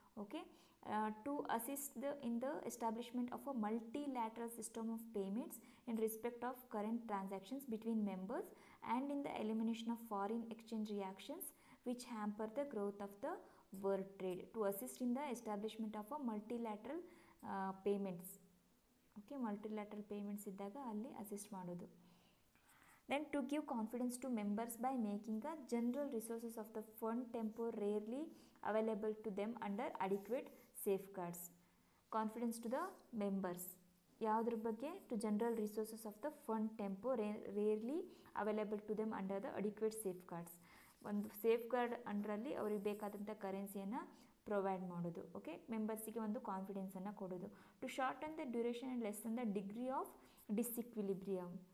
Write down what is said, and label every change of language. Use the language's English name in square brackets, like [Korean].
[English] Okay, to assist in the establishment of a multilateral system of payments in respect of current transactions between members and in the elimination of foreign exchange reactions which hamper the growth of the world trade, to assist in the establishment of a multilateral payments. [Kannada] Okay, multilateral payments ಇದ್ದಾಗ ಅಲ್ಲಿ assist ಮಾಡೋದು. [English] Then to give confidence to members by making a general resources of the fund temporarily available to them under adequate safeguards. Confidence to the members. [Kannada] ಯಾವುದ್ರ ಬಗ್ಗೆ? [English] To general resources of the fund rarely available to them under the adequate safeguards. [Kannada] ಒಂದು safe guard ಅಂಡ್ರಲ್ಲಿ ಅವ್ರಿಗೆ ಬೇಕಾದಂಥ ಕರೆನ್ಸಿಯನ್ನು provide ಮಾಡೋದು. Okay, ಮೆಂಬರ್ಸಿಗೆ ಒಂದು ಕಾನ್ಫಿಡೆನ್ಸನ್ನು ಕೊಡೋದು. [English] To shorten the duration and lessen the degree of disequilibrium.